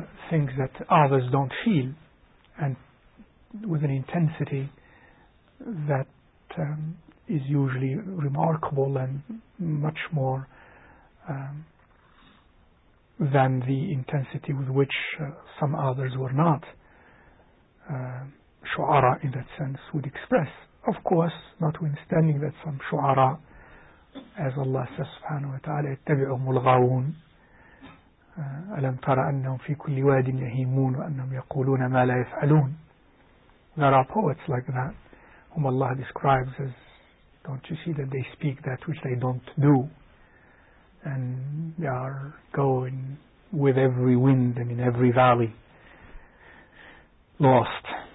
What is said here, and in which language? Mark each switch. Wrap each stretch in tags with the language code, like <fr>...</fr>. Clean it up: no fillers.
<en>things that others don't feel, and with an intensity that is usually remarkable and much more than the intensity with which some others were not shu'ara in that sense would express. Of course, notwithstanding that some shu'ara, as Allah says subhanahu wa ta'ala,</en> <ar>اتبعهم الغاوون ألم ترى أنهم في كل واد يهيمون وأنهم يقولون ما لا يفعلون.</ar> <en>There are poets like that whom Allah describes as, don't you see that they speak that which they don't do, and they are going with every wind and in every valley lost.</en>